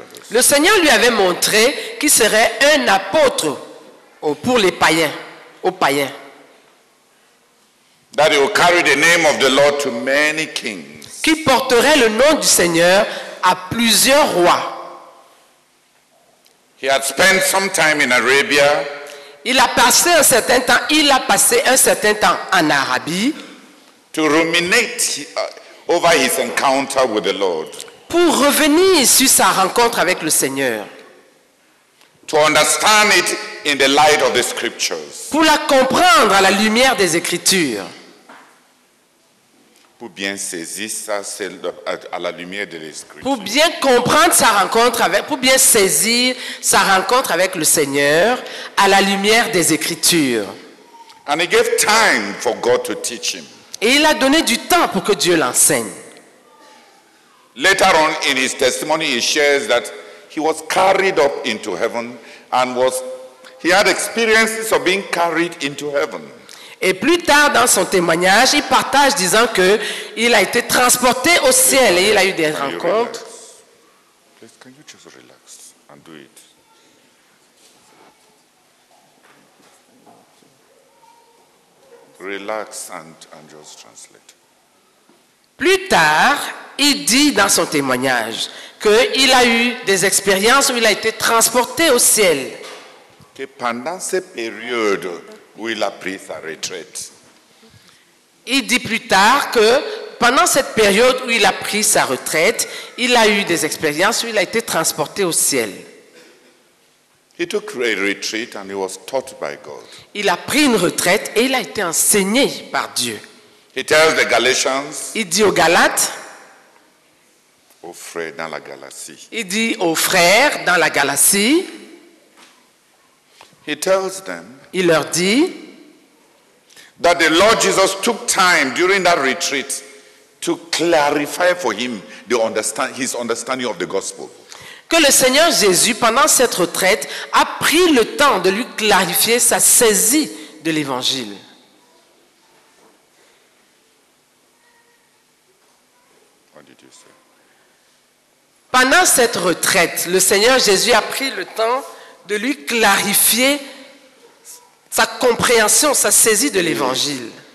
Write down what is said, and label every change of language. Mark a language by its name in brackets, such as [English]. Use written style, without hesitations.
[French] Le Seigneur lui avait montré qu'il serait un apôtre pour les païens, aux païens. [English] That he would carry the name of the Lord to many kings. [French] Qui porterait le nom du Seigneur à plusieurs rois. [English] He had spent some time in Arabia. [French] Il a passé un certain temps en Arabie. [English] To ruminate over his encounter with the Lord. [French] Pour revenir sur sa rencontre avec le Seigneur. [English] To understand it in the light of the scriptures. [French] Pour la comprendre à la lumière des Écritures. Pour bien saisir ça, à la lumière de l'Écriture. Pour bien comprendre sa rencontre avec, pour bien saisir sa rencontre avec le Seigneur à la lumière des Écritures. [English] And he gave time for God to teach him. [French] Et il a donné du temps pour que Dieu l'enseigne. [English] Later on in his testimony, he shares that he was carried up into heaven and was he had experiences of being carried into heaven. [French] Et plus tard dans son témoignage, il partage disant que il a été transporté au ciel et il a eu des rencontres. [English] Please, can you just relax and do it? Relax and just translate. [French] Plus tard, il dit dans son témoignage que il a eu des expériences où il a été transporté au ciel. Que pendant ces périodes où il a pris sa retraite. Il dit plus tard que pendant cette période où il a pris sa retraite, il a eu des expériences où il a été transporté au ciel. [English] He took a retreat and he was taught by God. [French] Il a pris une retraite et il a été enseigné par Dieu. [English] He tells the Galatians, [French] il dit aux Galates, aux frères dans la Galatie. Il dit aux frères dans la Galatie. [English] He tells them, [French] il leur dit [English] that the Lord Jesus took time during that retreat to clarify for him the his understanding of the gospel. [French] Que le Seigneur Jésus, pendant cette retraite, a pris le temps de lui clarifier sa saisie de l'Évangile. [English] What did you say? [French] Pendant cette retraite, le Seigneur Jésus a pris le temps de lui clarifier sa compréhension, sa saisie de l'Évangile.